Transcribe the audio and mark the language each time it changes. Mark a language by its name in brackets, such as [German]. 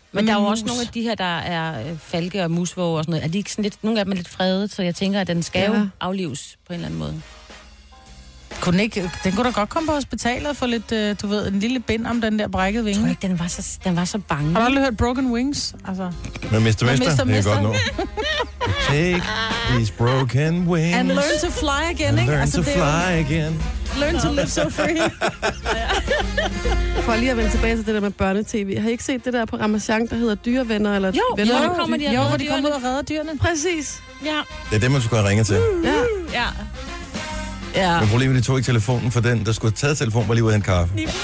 [Danish] Men der er jo også nogle af de her, der er falke og musvåge og sådan noget. Er de ikke sådan lidt, nogle af dem er lidt fredet, så jeg tænker, at den skal jo aflives på en eller anden måde. Kunne ikke, den kunne da godt komme på hospitalet og få lidt, du ved, en lille bind om den der brækkede vinge. Tror ikke, den var så bange. Har du aldrig hørt Broken Wings? Altså. Med Mister. Det er godt nu. [English] Take these broken wings. And learn to fly again, ikke? Learn altså, to fly again. Learn to live so free. [Danish] For lige at vende tilbage til det der med børnetv. Har I ikke set det der på Ramazan, der hedder Dyrevenner? Eller jo, venner? Jo, kommer de, jo, hvor de kommer ud og redder dyrene. Præcis. Ja. Det er dem, man skulle have ringet til. Ja. Ja. Ja. Men problemet, de tog ikke telefonen, for den, der skulle have taget telefonen, var lige ude af en kaffe.